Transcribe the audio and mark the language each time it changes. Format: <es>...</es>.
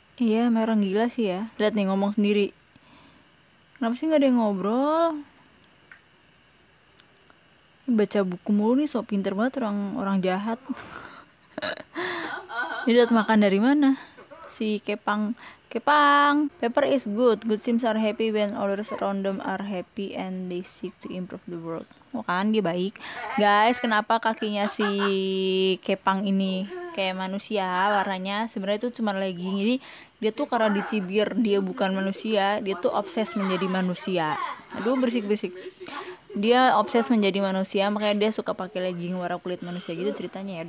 <id>Iya, orang gila sih ya. Lihat nih ngomong sendiri. Kenapa sih nggak ada yang ngobrol? Baca buku mulu nih, sok pinter banget orang orang jahat. Ini dapat makan dari mana? Si Kepang. Kepang.</id> <en>Paper is good. Good Sims are happy when others around them are happy and they seek to improve the world.</en> <id>Oh kan, dia baik. Guys, kenapa kakinya si Kepang ini kayak manusia warnanya? Sebenarnya itu cuma legging. Jadi dia tuh karena dicibir dia bukan manusia, dia tuh obses menjadi manusia. Aduh, berisik-berisik. Dia obses menjadi manusia, makanya dia suka pakai legging warna kulit manusia gitu ceritanya ya.</id>